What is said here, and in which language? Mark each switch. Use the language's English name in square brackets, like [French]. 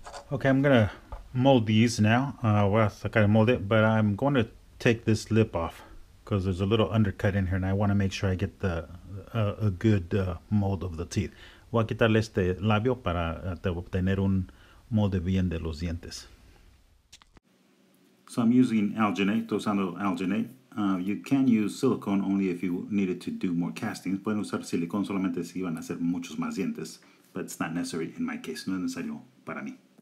[English] Okay, I'm going to mold these now. Well, I kind of mold it, but I'm going to take this lip off. Because there's a little undercut in here, and I want to make sure I get a good mold of the teeth. [Spanish] Voy a quitarle este labio para obtener un molde bien de los dientes. [English] So I'm using alginate, [Spanish] estoy usando alginate. [English] You can use silicone only if you needed to do more castings. [Spanish] Pueden usar silicone solamente si iban a hacer muchos más dientes, [English] but it's not necessary in my case, [Spanish] no es necesario para mí.